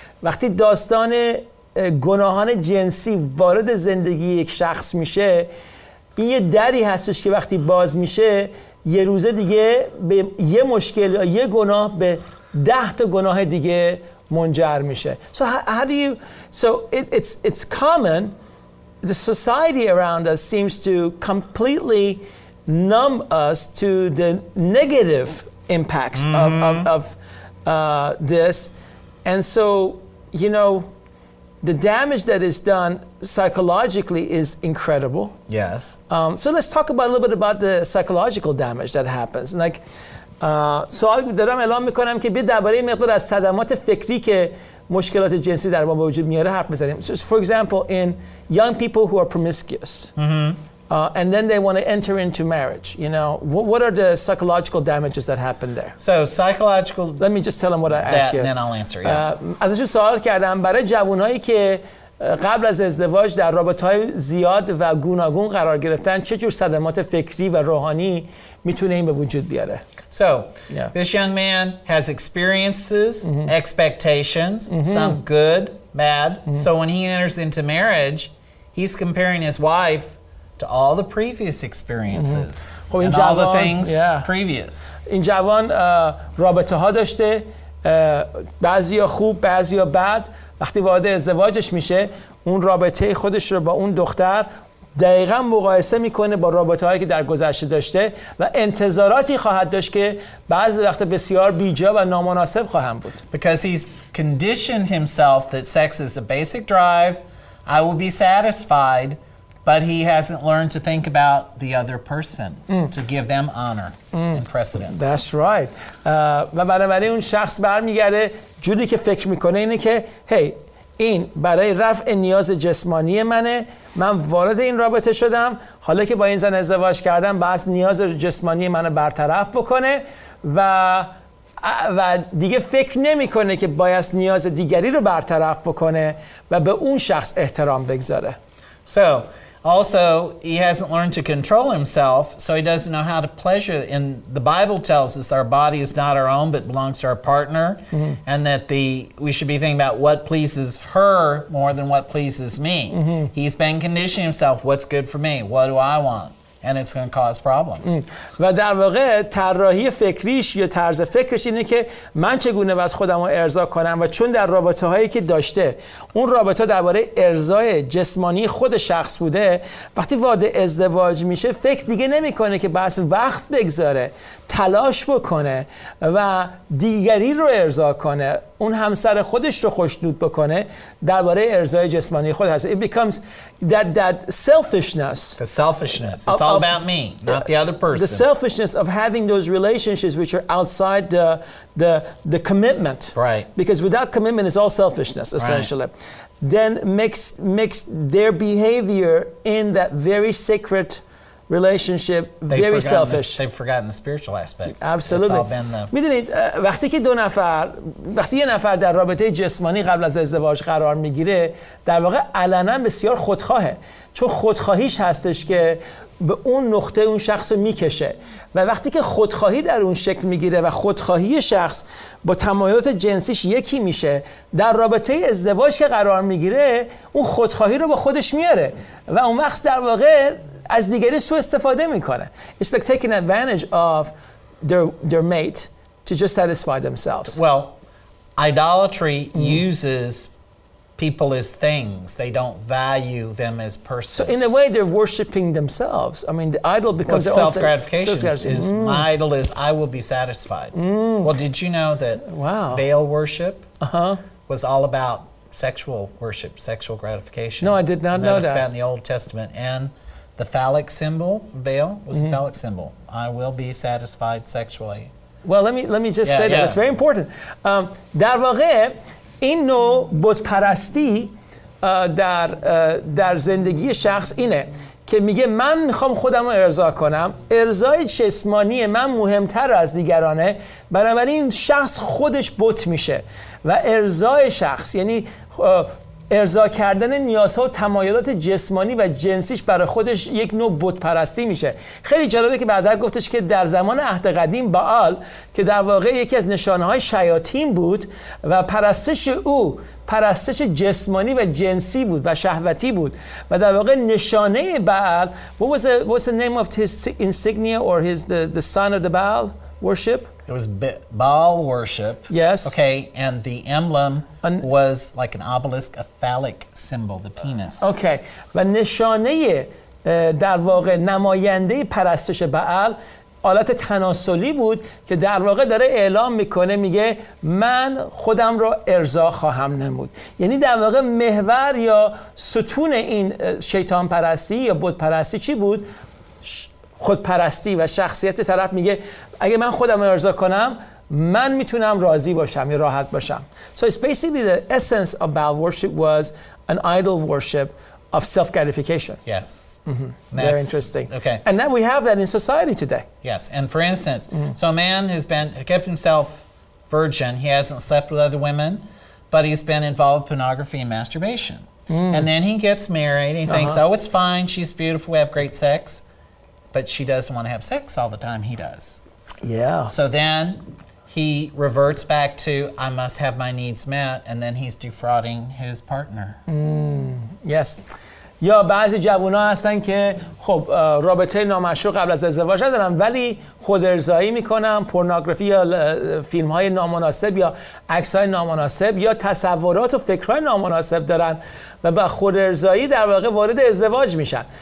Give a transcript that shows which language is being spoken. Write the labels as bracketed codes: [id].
[fa] وقتی داستان گناهان جنسی وارد زندگی یک شخص میشه این یه دری هستش که وقتی باز میشه یه روز دیگه به یه مشکل یا یه گناه به 10 تا گناه دیگه منجر میشه. [en] So how do you so it's common the society around us seems to completely numb us to the negative impacts of this and so you know the damage that is done psychologically is incredible. Yes. So let's talk about a little bit about the psychological damage that happens. [fa] Like سوال دارم اعلام میکنم که بیا درباره مقدار از صدمات فکری که مشکلات جنسی در ما به وجود میاره حرف بزنیم. [en] So, for example, in young people who are promiscuous, and then they want to enter into marriage, you know, what are the psychological damages that happen there? So psychological. Let me just tell them what I ask you. Then I'll answer. Yeah. [fa] ازشون سوال کردم برای جوانایی که قبل از ازدواج در رابطه‌های زیاد و گوناگون قرار گرفتن چه جور صدمات فکری و روحانی میتونه این به وجود بیاره. [en] So, this young man has experiences, expectations, some good, bad. So when he enters into marriage, he's comparing his wife to all the previous experiences and all the things previous. [fa] این جوان رابطه ها داشته، بعضی ها خوب، بعضی ها بد. وقتی وارد ازدواجش میشه، اون رابطه خودش رو با اون دختر دقیقا مقایسه میکنه با رابطه هایی که در گذشته داشته و انتظاراتی خواهد داشت که بعضی وقت بسیار بیجا و نامناسب خواهند بود. [en] Because he's conditioned himself that sex is a basic drive, I will be satisfied, but he hasn't learned to think about the other person to give them honor and precedence. That's right. [fa] و بنابراین اون شخص برمیگرده جوری که فکر میکنه اینه که هی این برای رفع نیاز جسمانی منه من وارد این رابطه شدم حالا که با این زن ازدواج کردم بس نیاز جسمانی منو برطرف بکنه و دیگه فکر نمی کنه که باید نیاز دیگری رو برطرف بکنه و به اون شخص احترام بگذاره [en] So also he hasn't learned to control himself so he doesn't know how to pleasure and the bible tells us that our body is not our own but belongs to our partner and that we should be thinking about what pleases her more than what pleases me he's been conditioning himself what's good for me what do I want and it's going to cause problems [fa] و در واقع طراحی فکریش یا طرز فکرش اینه که من چگونه واسه خودم ارضا کنم و چون در رابطه هایی که داشته اون رابطه درباره ارضای جسمانی خود شخص بوده وقتی وارد ازدواج میشه فکر دیگه نمیکنه که بس وقت بگذاره تلاش بکنه و دیگری رو ارضا کنه اون همسر خودش رو خوشنود بکنه درباره ارضای جسمانی خود هست. [en] It becomes that selfishness. The selfishness. It's all about me, not the other person. The selfishness of having those relationships which are outside the commitment. Right. Because without commitment is all selfishness, essentially. Right. Then makes their behavior in that very sacred relationship very selfish. They've forgotten the spiritual aspect. Absolutely. [fa] میدونید وقتی که دو نفر وقتی یه نفر در رابطه جسمانی قبل از ازدواج قرار میگیره در واقع علنا بسیار خودخواهه، چون خودخواهیش هستش که به اون نقطه اون شخص رو میکشه، و وقتی که خودخواهی در اون شکل میگیره و خودخواهی شخص با تمایلات جنسیش یکی میشه، در رابطه ازدواج که قرار میگیره اون خودخواهی رو با خودش میاره و اون وقت در واقع از دیگری سوء استفاده میکنه. [en] It's like taking advantage of their mate to just satisfy themselves. Well, idolatry uses people as things. They don't value them as persons. So in a way, they're worshiping themselves. I mean, the idol becomes their own self-gratification. My idol is I will be satisfied. Well, did you know that Baal worship was all about sexual worship, sexual gratification? No, I did not know that. That was found in the Old Testament. And the phallic symbol, Baal, was the phallic symbol. I will be satisfied sexually. Well, let me just say that. It's very important. [fa] در واقع این نوع بت‌پرستی در زندگی شخص اینه که میگه من میخوام خودم رو ارضا کنم، ارضای جسمانی من مهمتر از دیگرانه، بنابراین شخص خودش بت میشه و ارضای شخص یعنی ارضا کردن نیازها و تمایلات جسمانی و جنسیش برای خودش یک نوع بت پرستی میشه. خیلی جالبه که بعدا گفتش که در زمان عهد قدیم بعال که در واقع یکی از نشانه‌های شیاطین بود و پرستش او پرستش جسمانی و جنسی بود و شهوتی بود و در واقع نشانه بعال [en] what was the name of his insignia or his the sign of the Baal worship? It was Baal worship. Yes. Okay, and the emblem was like an obelisk, a phallic symbol, the penis. Okay. [fa] و نشانه در واقع نماینده پرستش بعل آلت تناسلی بود که در واقع داره اعلام میکنه، میگه من خودم رو ارضا خواهم نمود. یعنی در واقع محور یا ستون این شیطان پرستی یا بت پرستی چی بود؟ خودپرستی و شخصیت طرف. میگه اگه من خودم رو ارضا کنم من میتونم راضی باشم یا راحت باشم. [en] So it's basically the essence of Baal worship was an idol worship of self-gratification. Yes. Mm-hmm. Very interesting. Okay. And that we have that in society today. Yes. And for instance, so a man has been kept himself virgin, he hasn't slept with other women, but he's been involved with pornography and masturbation. And then he gets married and he thinks, oh, it's fine, she's beautiful, we have great sex. But she doesn't want to have sex all the time, he does. Yeah. So then he reverts back to, I must have my needs met, and then he's defrauding his partner. Yes. [fa] یا بعضی جوان ها هستن که خب رابطه نامشروع قبل از ازدواج ندارن ولی خود ارضایی میکنن، پورنوگرافی یا فیلم های نامناسب یا عکس های نامناسب یا تصورات و فکرهای نامناسب دارن و با خود ارضایی در واقع وارد ازدواج میشن.